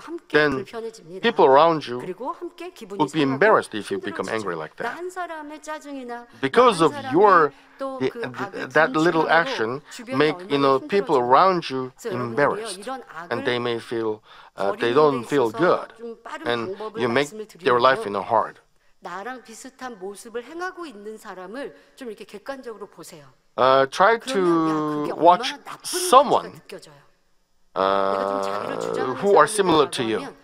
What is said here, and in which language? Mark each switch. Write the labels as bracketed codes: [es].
[en] Then people around you would be embarrassed if you become angry like that. Because of your that little action make people around you embarrassed, and they may feel they don't feel good, and you make their life hard. [ko] 나랑 비슷한 모습을 행하고 있는 사람을 좀 이렇게 객관적으로 보세요. [en] Try to watch someone who are similar to you.